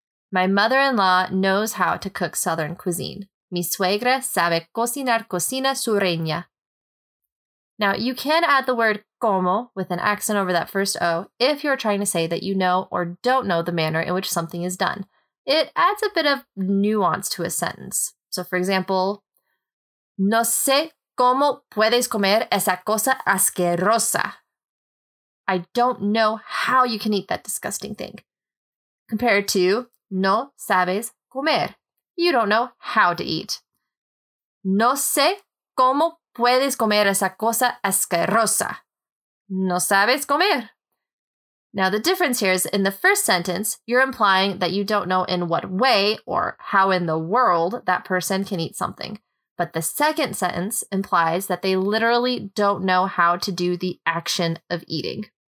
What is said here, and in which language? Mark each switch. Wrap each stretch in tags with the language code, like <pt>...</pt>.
<en>My mother-in-law knows how to cook southern cuisine.</en> <es>Mi suegra sabe cocinar cocina sureña.</es> <en>Now, you can add the word como with an accent over that first O if you're trying to say that you know or don't know the manner in which something is done. It adds a bit of nuance to a sentence. So, for example,</en> <es>no sé cómo puedes comer esa cosa asquerosa.</es> <en>I don't know how you can eat that disgusting thing. Compared to</en> <es>no sabes comer.</es> <en>You don't know how to eat.</en> <es>No sé cómo puedes comer esa cosa asquerosa. No sabes comer.</es> <en>Now, the difference here is in the first sentence, you're implying that you don't know in what way or how in the world that person can eat something. But the second sentence implies that they literally don't know how to do the action of eating.</en>